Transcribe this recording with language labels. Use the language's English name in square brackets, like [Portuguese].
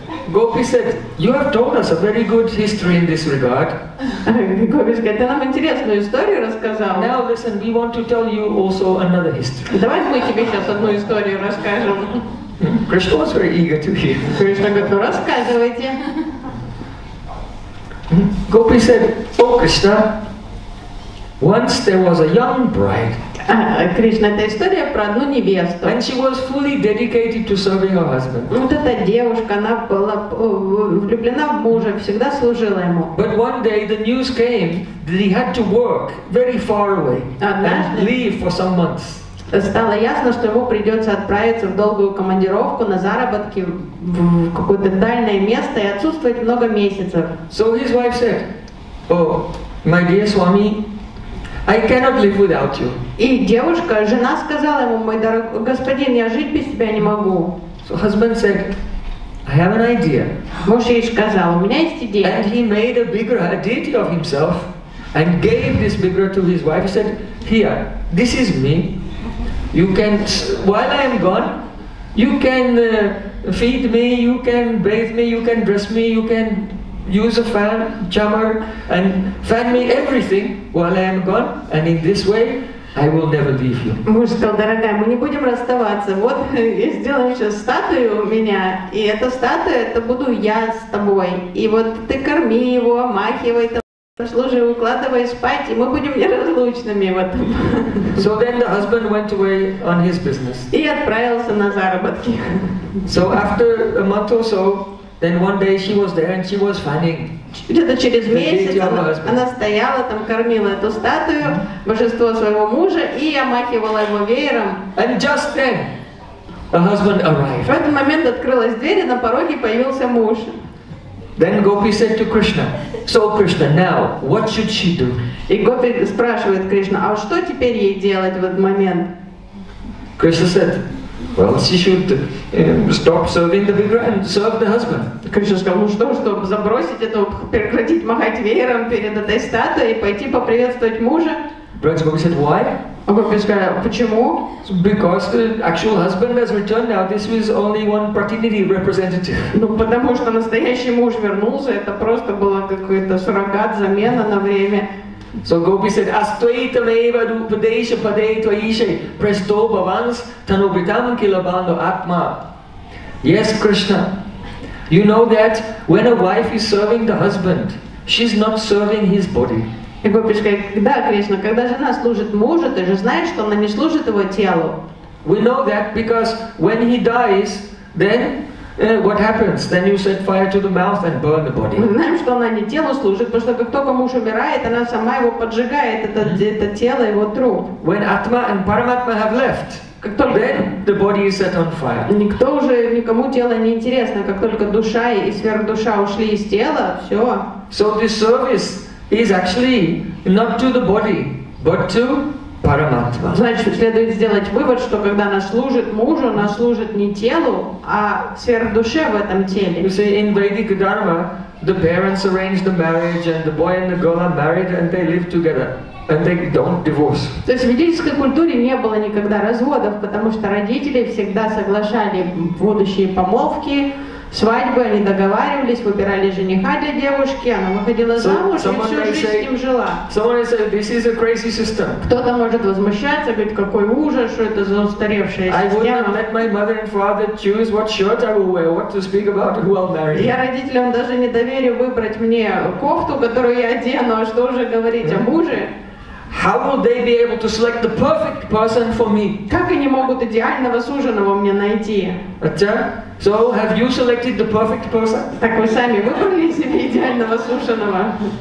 [English] Gopi said, you have told us a very good history in this regard. Gopi said, [Russian] ты нам интересную историю рассказал. [English] Now listen, we want to tell you also another history. [Russian] Давай мы тебе сейчас одну историю расскажем. [English] Krishna was very eager to hear. [Russian] Krishna говорит, ну рассказывайте. [English] Gopi said, oh Krishna, once there was a young bride. [Russian] Кришна, это история про одну невесту. [English] And she was fully dedicated to serving her husband. [Russian] Вот эта девушка, она была влюблена в мужа, всегда служила ему. [English] But one day the news came that he had to work very far away and leave for some months. [Russian] Стало ясно, что ему придется отправиться в долгую командировку на заработки в какое-то дальнее место и отсутствовать много месяцев. [English] So his wife said, oh, my dear Swami, I cannot live without you. [Russian] И девушка, жена сказала ему, мой дорогой господин, я жить без тебя не могу. [English] So husband said, I have an idea. [Russian] Муж ей сказал, у меня есть идея. [English] And he made a bigra, a deity of himself, and gave this bigra to his wife. He said, here, this is me. You can, while I am gone, you can feed me, you can bathe me, you can dress me, you can use a fan, chamar, and fan me everything while I am gone, and in this way, I will never leave you. [Russian] Муж сказал, дорогая, мы не будем расставаться. Вот я сделаю сейчас статую у меня, и эта статуя, это буду я с тобой. И вот ты корми его, омахивай, служи, укладывай спать, и мы будем неразлучными в этом. [English] So then the husband went away on his business. [Russian] И отправился на заработки. [English] So after a month or so, Then one day she was there and she was fanning. [Russian] Где-то через месяц она стояла там, кормила эту статую, божество своего мужа, и омахивала его веером. [English] And just then, the husband arrived. [Russian] В этот момент открылась дверь, и на пороге появился муж. [English] Then Gopi said to Krishna, "So Krishna, now what should she do?" [Russian] И Гопи спрашивает Кришну, а что теперь ей делать в этот момент? [English] Krishna said, "Well, she should stop serving the vigra and serve the husband." [Russian] Кришна сказал, ну что, чтобы забросить это, прекратить махать веером перед этой статуей и пойти поприветствовать мужа? [English] Брат Гопи said, "Why?" [Russian] А Гопи сказал, почему? [English] Because the actual husband has returned now. This was only one pratinidhi representative. [Russian] Ну потому что настоящий муж вернулся, это просто было какой-то суррогат, замена на время. [English] So Gopi said, [Sanskrit] Astvaita Neva Dupadesha Padeita Ishe Presto Bhavans Tanubhitam Kilabando Atma. [English] Yes, Krishna, you know that when a wife is serving the husband, she's not serving his body. [Russian] И Гопи говорит, да, Кришна, когда жена служит мужу, ты же знаешь, что она не служит его телу. [English] We know that because when he dies, then what happens? Then you set fire to the mouth and burn the body. [Russian] Мы знаем, что она не телу служит, потому что как только муж умирает, она сама его поджигает, это тело, его труп. [English] When Atma and Paramatma have left, then the body is set on fire. [Russian] Никто уже никому тело не интересно, как только душа и сверхдуша ушли из тела, все. [English] So this service is actually not to the body, but to Paramatma. [Russian] Значит, следует сделать вывод, что когда она служит мужу, она служит не телу, а сверхдуше в этом теле. [English] You see, in Vedic Dharma, the parents arrange the marriage, and the boy and the girl are married, and they live together, and they don't divorce. [Russian] То есть в ведической культуре не было никогда разводов, потому что родители всегда соглашали будущие помолвки. Свадьбы, они договаривались, выбирали жениха для девушки, она выходила замуж и всю жизнь с ним жила. [English] Someone say, this is a crazy system. [Russian] Кто-то может возмущаться, говорит, какой ужас, что это за устаревшая система. [English] I would not let my mother and father choose what shirt I will wear, what to speak about, who I'll marry. [Russian] Я родителям даже не доверю выбрать мне кофту, которую я одену, а что уже говорить о муже? [English] How will they be able to select the perfect person for me? [Russian] Как они могут идеального суженого мне найти? [English] Ача? So have you selected the perfect person? [Russian] Так вы сами выбрали себе идеального суженого?